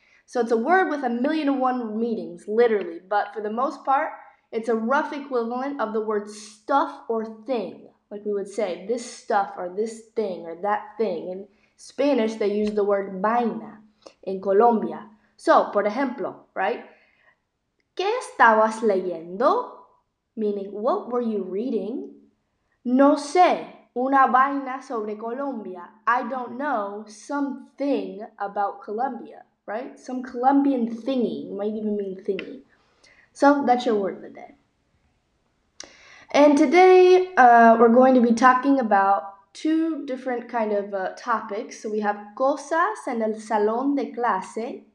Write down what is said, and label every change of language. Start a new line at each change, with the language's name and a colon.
English: So it's a word with a million and one meanings, literally, but for the most part, it's a rough equivalent of the word stuff or thing. Like we would say, this stuff or this thing or that thing. And Spanish, they use the word vaina in Colombia. So,
Spanish: por ejemplo,
English: right?
Spanish: ¿Qué estabas leyendo?
English: Meaning, what were you reading?
Spanish: No sé, una vaina sobre Colombia.
English: I don't know something about Colombia, right? Some Colombian thingy, might even mean thingy. So, that's your word of the day. And today, we're going to be talking about two different kind of topics. So we have
Spanish: cosas en el salón de clase.